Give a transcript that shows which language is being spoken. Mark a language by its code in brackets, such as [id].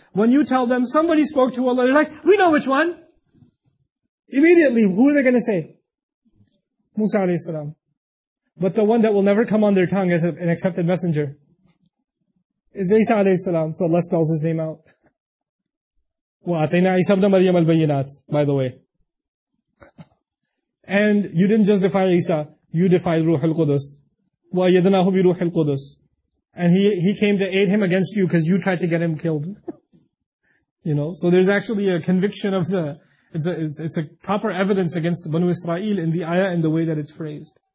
[en] When you tell them somebody spoke to Allah, they're like, we know which one. Immediately, who are they going to say? Musa alayhi salam. But the one that will never come on their tongue as an accepted messenger is Isa alayhi salam. So Allah spells his name out. [ar] وَأَتَيْنَا عِيسَى بْنَ مَرْيَمَ الْبَيِّنَاتِ [en] By the way. And you didn't just defy Isa, you defied Ruh al-Qudus. [ar] وَأَيَّدْنَاهُ بِرُوحِ الْقُدُسِ [en] And he came to aid him against you because you tried to get him killed. You know, so there's actually a conviction of the... It's a proper evidence against the Banu Israel in the ayah and the way that it's phrased.